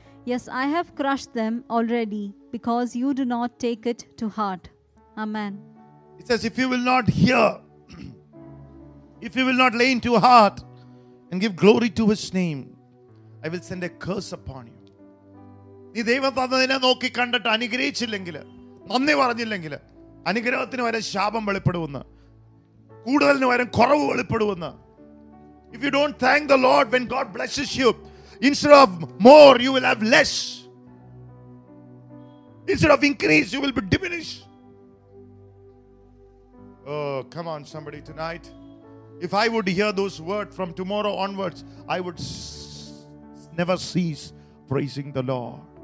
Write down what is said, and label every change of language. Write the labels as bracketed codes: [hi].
[en] Yes, I have crushed them already because you do not take it to heart. Amen. says, if you will not hear, if you will not lay into your heart and give glory to his name, I will send a curse upon you. [ml] നീ ദൈവം തന്നതിനെ നോക്കി കണ്ടിട്ട് അനുഗ്രഹിച്ചില്ലെങ്കിൽ, നന്ദി പറഞ്ഞില്ലെങ്കിൽ, അനുഗ്രഹത്തിന് വരെ ശാപം വെളിപ്പെടുമെന്ന്, കൂടുതലിന് വരെ കുറവ് വെളിപ്പെടുമെന്ന്. [en] If you don't thank the Lord when God blesses you, instead of more, you will have less. Instead of increase, you will be diminished. Oh, come on, somebody, tonight. If I would hear those words from tomorrow onwards, I would never cease praising the Lord.